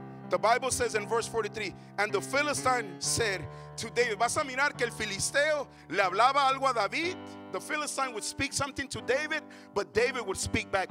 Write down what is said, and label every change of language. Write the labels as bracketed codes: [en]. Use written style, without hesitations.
[en] The Bible says in verse 43, and the Philistine said to David. [es] Vas a mirar que el Filisteo le hablaba algo a David. [en] The Philistine would speak something to David, but David would speak back.